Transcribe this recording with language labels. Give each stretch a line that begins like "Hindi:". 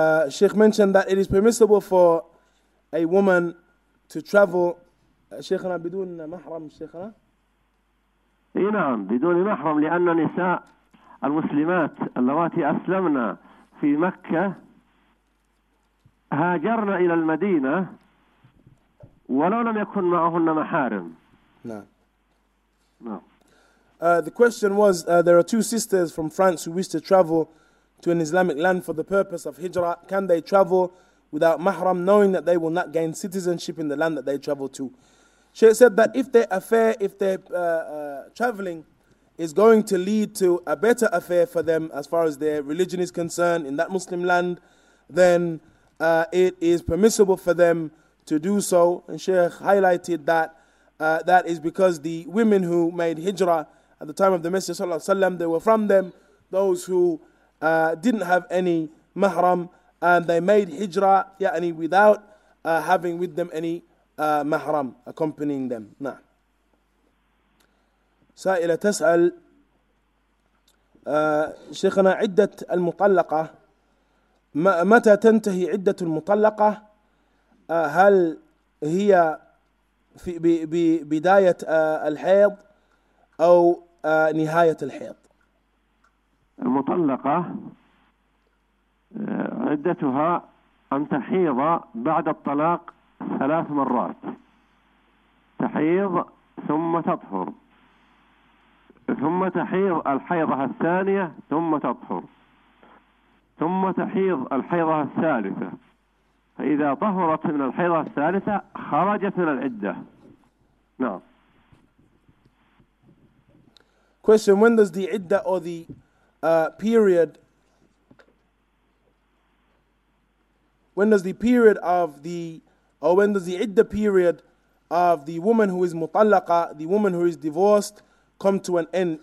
English: Sheikh mentioned that it is permissible for a woman to travel.
Arabic: Sheikhna بدون محرم Sheikhna. نعم بدون محرم، لأن النساء المسلمات اللواتي أسلمنا في مكة هاجرنا إلى المدينة ولو لم يكن معهن محارم. نعم.
English: The question was, there are two sisters from France who wish to travel to an Islamic land for the purpose of hijrah. Can they travel without mahram, knowing that they will not gain citizenship in the land that they travel to? She said that if their affair, if their traveling is going to lead to a better affair for them as far as their religion is concerned in that Muslim land, then it is permissible for them to do so. And Sheikh highlighted that that is because the women who made hijrah at the time of the Messenger Sallallahu Alaihi Wasallam, they were from them, those who didn't have any mahram, and they made hijrah يعني without having with them any mahram accompanying them. Nah.
Arabic: سائلة تسأل شيخنا عدة المطلقة متى تنتهي عدة المطلقة؟ هل هي في بداية الحيض أو نهاية الحيض؟ المطلقة عدتها أن تحيض بعد الطلاق 3 مرات، تحيض ثم تطهر ثم تحيض الحيضة الثانية ثم تطهر ثم تحيض الحيضة الثالثة، فإذا طهرت من الحيضة الثالثة خرجت من العدة. نعم.
English: Question: when does the عدة or the period, when does the period of the, or when does the عدة period of the woman who is مطلقة, the woman who is divorced, come to an end?